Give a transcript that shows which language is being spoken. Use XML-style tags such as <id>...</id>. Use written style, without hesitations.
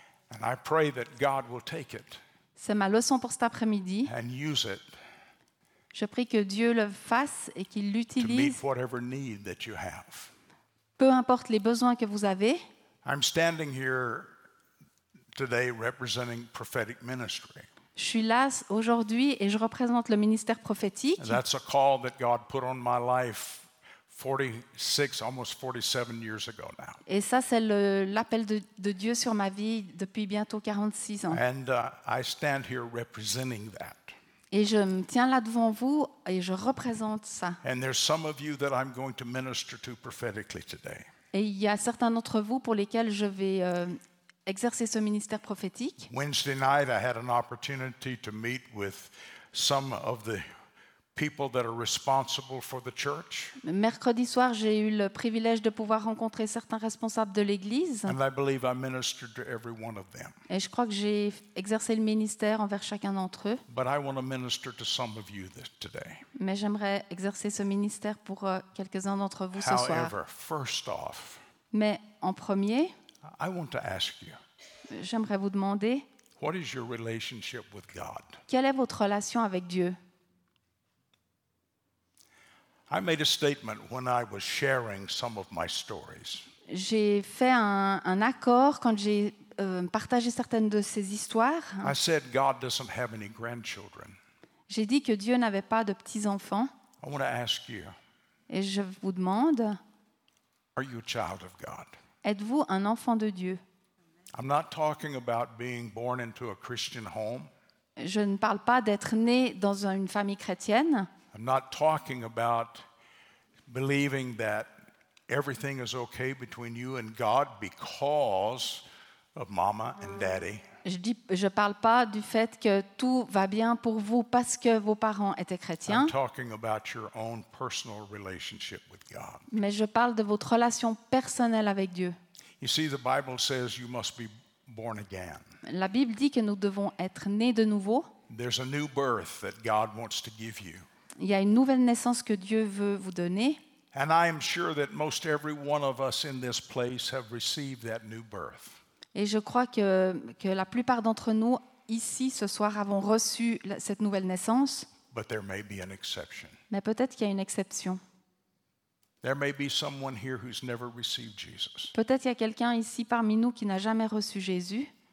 <en>And I pray that God will take it.</en> <fr>C'est ma leçon pour cet après-midi.</fr> <en>And use it.</en> <fr>Je prie que Dieu le fasse et qu'il l'utilise.</fr> <en>To meet whatever need that you have.</en> <fr>Peu importe les besoins que vous avez.</fr> <en>I'm standing here today representing prophetic ministry.</en> <fr>Je suis là aujourd'hui et je représente le ministère prophétique.</fr> <en>And that's a call that God put on my life 46, almost 47 years ago now.</en> <fr>Et ça, c'est l'appel de Dieu sur ma vie depuis bientôt 46 ans.</fr> <en>And I stand here representing that.</en> <fr>Et je me tiens là devant vous et je représente ça.</fr> <en>And there's some of you that I'm going to minister to prophetically today.</en> <fr>Et il y a certains d'entre vous pour lesquels je vais exercer ce ministère prophétique.</fr> <en>Wednesday night I had an opportunity to meet with some of the people that are responsible for the church.</en> <fr>Mercredi soir, j'ai eu le privilège de pouvoir rencontrer certains responsables de l'église.</fr> <en>And I believe I ministered to every one of them.</en> <fr>Et je crois que j'ai exercé le ministère envers chacun d'entre eux.</fr> <en>But I want to minister to some of you today.</en> <fr>Mais j'aimerais exercer ce ministère pour quelques-uns d'entre vous</fr> <en>However,</en> <fr>ce soir.</fr> <en>However, first off.</en> <fr>Mais en premier,</fr> <en>I want to ask you.</en> <fr>J'aimerais vous demander.</fr> <en>What is your relationship with God?</en> <fr>Quelle est votre relation avec Dieu?</fr> <en>I made a statement when I was sharing some of my stories.</en> <fr>J'ai fait un accord quand j'ai partagé certaines de ces histoires.</fr> <en>I said God doesn't have any grandchildren.</en> <fr>J'ai dit que Dieu n'avait pas de petits-enfants.</fr> <en>I want to ask you.</en> <fr>Et je vous demande.</fr> <en>Are you a child of God?</en> <fr>Êtes-vous un enfant de Dieu?</fr> <en>I'm not talking about being born into a Christian home.</en> <fr>Je ne parle pas d'être né dans une famille chrétienne.</fr> <en>I'm not talking about believing that everything is okay between you and God because of mama and daddy.</en> <fr>Je parle pas du fait que tout va bien pour vous parce que vos parents étaient chrétiens.</fr> <en>I'm talking about your own personal relationship with God.</en> <fr>Mais je parle de votre relation personnelle avec Dieu.</fr> <en>You see, the Bible says you must be born again.</en> <fr>La Bible dit que nous devons être nés de nouveau.</fr> <en>There's a new birth that God wants to give you.</en> <fr>Il y a une nouvelle naissance que Dieu veut vous donner.</fr> <en>And I am sure that most every one of us in this place have received that new birth.</en> <fr>Et je crois que la plupart d'entre nous, ici, ce soir, avons reçu cette nouvelle naissance.</fr> <en>But there may be an exception.</en> <fr>Mais peut-être qu'il y a une exception.</fr> <en>There may be someone here who's never received Jesus.</en> <fr>Peut-être qu'il y a quelqu'un ici parmi nous qui n'a jamais reçu Jésus.</fr>